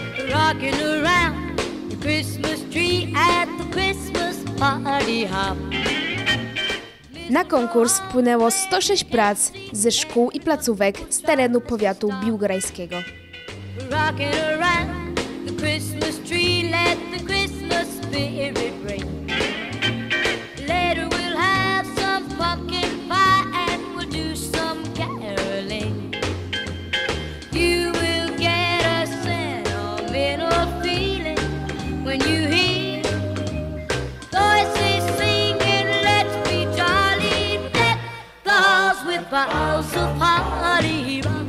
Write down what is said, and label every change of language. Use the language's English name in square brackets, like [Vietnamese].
[English] Rockin' around the Christmas tree at the Christmas party hop. [Polish] Na konkurs wpłynęło 106 prac ze szkół i placówek z terenu powiatu biłgorajskiego. [English] Rockin' around the Christmas tree, let the Christmas spirit ring. Later we'll have some pumpkin pie and we'll do some caroling. You will get a sentimental feeling when you hear voices singing, let's be jolly, deck the halls with boughs of holly.